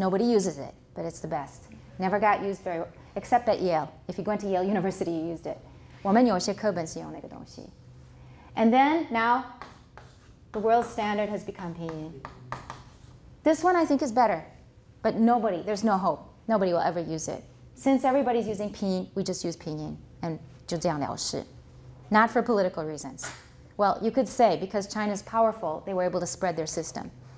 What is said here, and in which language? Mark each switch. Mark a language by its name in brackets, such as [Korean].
[English] Nobody uses it, but it's the best. Never got used very well, except at Yale. If you went to Yale University, you used it. [Chinese] 我们有些课本是用那个东西. [English] And then, now, the world standard has become Pinyin. This one, I think, is better, but nobody, there's no hope. Nobody will ever use it. Since everybody's using Pinyin, we just use Pinyin, and [Chinese] 就这样了事. [English] Not for political reasons. Well, you could say, because China's powerful, they were able to spread their system.